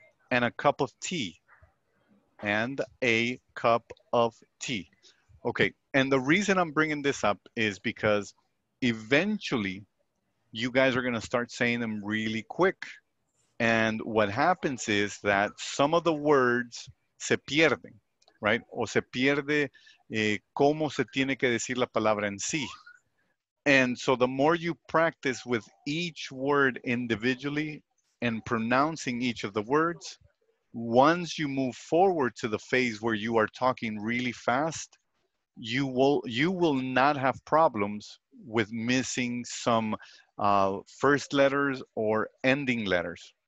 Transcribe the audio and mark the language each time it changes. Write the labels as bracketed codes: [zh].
[en] And a cup of tea. And a cup of tea. Okay, and the reason I'm bringing this up is because eventually you guys are gonna start saying them really quick. And what happens is that some of the words [es] se pierden, [en] right? [es] O se pierde cómo se tiene que decir la palabra en sí. [en] And so the more you practice with each word individually and pronouncing each of the words, once you move forward to the phase where you are talking really fast, you will not have problems with missing some first letters or ending letters.